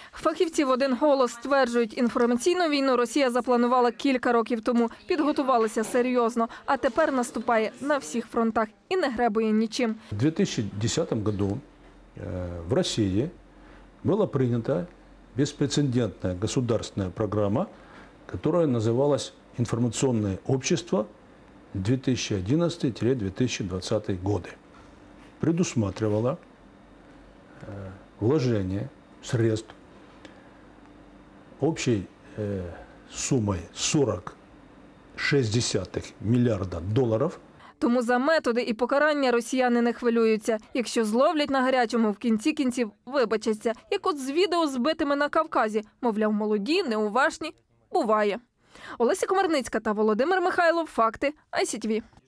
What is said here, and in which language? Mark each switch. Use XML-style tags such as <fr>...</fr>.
<uk>Фахівці в один голос стверджують, інформаційну війну Росія запланувала кілька років тому, підготувалася серйозно, а тепер наступає на всіх фронтах і не гребує нічим. У 2010 році в Росії була прийнята безпрецедентна державна програма, яка називалася «Інформаційне суспільство 2011-2020 роки».</uk> <ru>Предусматривала вложення средств общей сумой 40,6 миллиарда долларов.</ru> <uk>Тому за методи і покарання росіяни не хвилюються. Якщо зловлять на гарячому, в кінці кінців вибачаться. Як от з відео збитими на Кавказі. Мовляв, молоді, неуважні. Буває. Олеся Комарницька та Володимир Михайлов. Факти. ICTV.</uk>